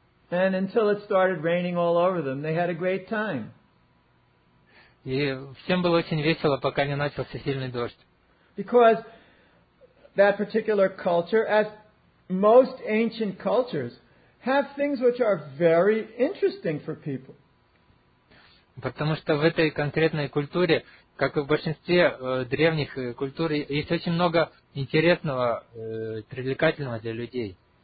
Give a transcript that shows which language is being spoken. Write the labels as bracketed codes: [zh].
[en] And until it started raining all over them, they had a great time. [ru] И всем было очень весело, пока не начался сильный дождь. [en] Because that particular culture, as most ancient cultures, have things which are very interesting for people. [ru] Потому что в этой конкретной культуре, как и в большинстве древних культур, есть очень много интересного, привлекательного для людей.